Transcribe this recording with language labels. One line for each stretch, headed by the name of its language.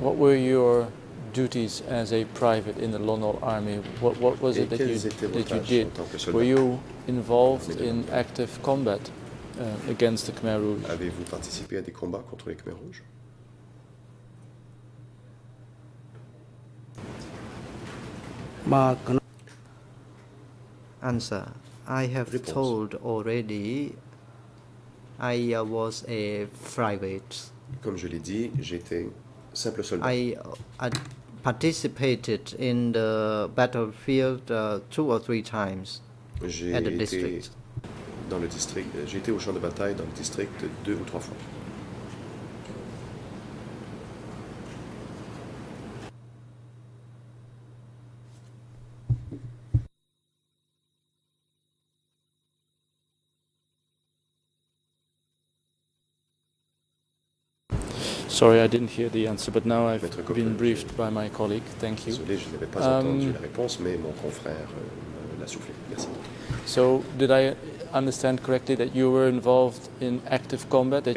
English: What were your duties as a private in the Lonol Army? What was
French: et
English: it that you, did? Were you involved in active combat against the Khmer Rouge?
French: Avez-vous participé à des combats contre les Khmer Rouges?
English: Answer. I have
French: réponse.
English: Told already I was a private.
French: Comme je l'ai dit, j'étais simple soldat.
English: I participated in the battlefield two or three times
French: j'ai
English: at the district.
French: Été dans le district. J'ai été au champ de bataille dans le district deux ou trois fois.
English: Sorry, I didn't hear the answer, but now I've been briefed by my colleague. Thank you.
French: Désolé, je n'avais pas entendu la réponse, mais mon confrère l'a soufflé. Merci.
English: So, did I understand correctly that you were involved in active combat, that